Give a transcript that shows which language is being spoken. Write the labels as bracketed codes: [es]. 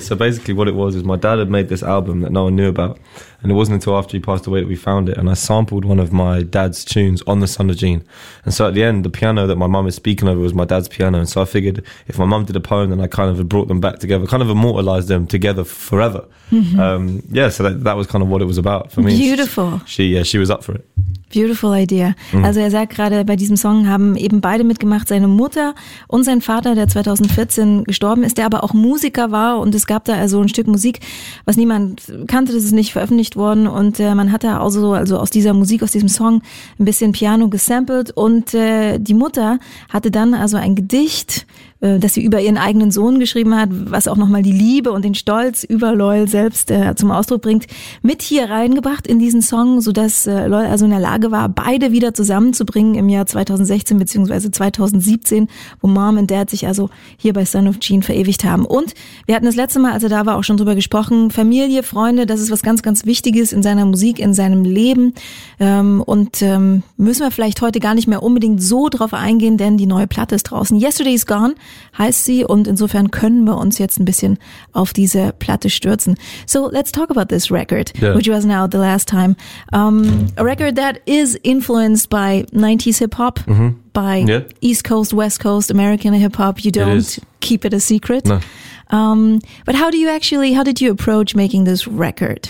[en] So basically what it was is my dad had made this album that no one knew about, and it wasn't until after he passed away that we found it, and I sampled one of my dad's tunes on the Son of Jean. And so at the end, the piano that my mum is speaking over was my dad's piano, and so I figured if my mum did a poem, then I kind of brought them back together, kind of immortalized them together forever. Mm-hmm. So that was kind of what it was about for me. Beautiful. She was up for it. Beautiful idea. [de] Also er sagt gerade, bei diesem Song haben eben beide mitgemacht, seine Mutter und sein Vater, der 2014 gestorben ist, der aber auch Musiker war, und es gab da also ein Stück Musik, was niemand kannte, das ist nicht veröffentlicht worden, und man hat da auch so, also aus dieser Musik, aus diesem Song, ein bisschen Piano gesampelt, und die Mutter hatte dann also ein Gedicht, dass sie über ihren eigenen Sohn geschrieben hat, was auch nochmal die Liebe und den Stolz über Loyal selbst zum Ausdruck bringt, mit hier reingebracht in diesen Song, sodass Loyal also in der Lage war, beide wieder zusammenzubringen im Jahr 2016 bzw. 2017, wo Mom und Dad sich also hier bei Son of Jean verewigt haben. Und wir hatten das letzte Mal, als er da war, auch schon drüber gesprochen, Familie, Freunde, das ist was ganz, ganz Wichtiges in seiner Musik, in seinem Leben. Und müssen wir vielleicht heute gar nicht mehr unbedingt so drauf eingehen, denn die neue Platte ist draußen. Yesterday's Gone heißt sie, und insofern können wir uns jetzt ein bisschen auf diese Platte stürzen. [en] So, let's talk about this record, which was now the last time. A record that is influenced by 90s hip-hop, by East Coast, West Coast, American hip-hop. You don't keep it a secret. No. But how did you approach making this record?